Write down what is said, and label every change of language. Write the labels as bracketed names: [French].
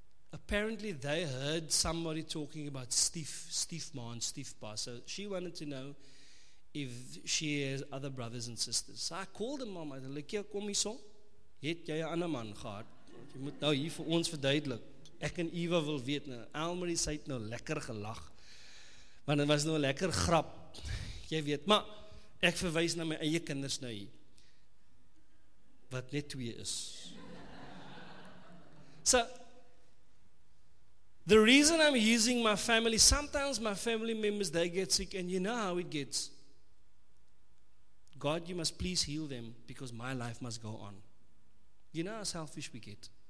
[English] Apparently they heard somebody talking about Steve Ma and Steve Pa. So she wanted to know if she has other brothers and sisters. So I called her mom. I said, [Afrikaans] "Lekker kom hier so. Het jy 'n ander man gehad? Jy moet nou hier vir ons verduidelik. Ek en Eva wil weet nou." Almari sê dit nou lekker gelag. Want dit was nou 'n lekker grap. Jy weet, maar ek verwys na my eie kinders nou hier. Wat net 2 is. [English] So the reason I'm using my family, sometimes my family members, they get sick, and you know how it gets. God, you must please heal them because my life must go on. You know how selfish we get.